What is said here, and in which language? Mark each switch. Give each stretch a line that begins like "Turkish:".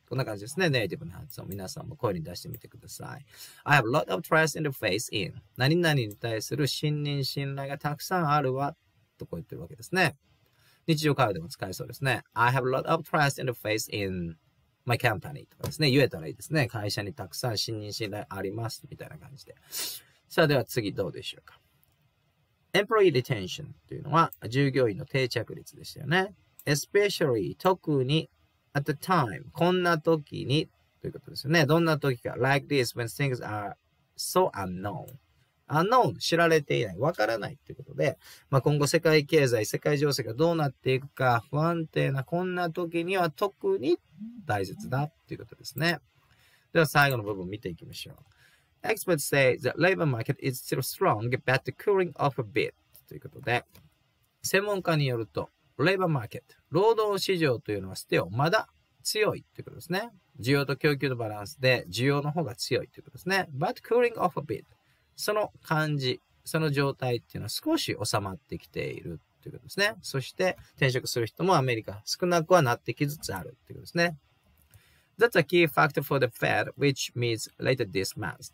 Japanese: こんな感じですね。ネイティブの発音。皆さんも声に出してみてください。
English: I have a lot of trust in the faith in。
Japanese: 何々に対する信任、信頼がたくさんあるわ。とこう言ってるわけですね。日常会話でも使えそうですね。
English: I have a lot of trust in the faith in my company
Japanese: とかですね。言えたらいいですね。会社にたくさん信任、信頼あります。みたいな感じで。さあでは次どうでしょうか。 Employee retention というのは従業員の定着率でしたよね。 Especially 特に
English: at the time
Japanese: こんな時にということですよね。どんな時か
English: Like this when things are so unknown.
Japanese: Unknown 知られていない、わからないということで、まあ、今後世界経済、世界情勢がどうなっていくか不安定なこんな時には特に大切だということですね。では最後の部分見ていきましょう。
English: Experts say that labor market is still strong, but cooling off a bit.
Japanese: ということで、専門家によると、labor market、労働市場というのは
English: still
Japanese: まだ強いということですね。需要と供給のバランスで需要の方が強いということですね。
English: But cooling off a bit。
Japanese: その感じ、その状態っていうのは少し収まってきているということですね。そして、転職する人もアメリカ少なくはなってきつつあるということですね。
English: That's a key factor for the Fed, which meets later this month.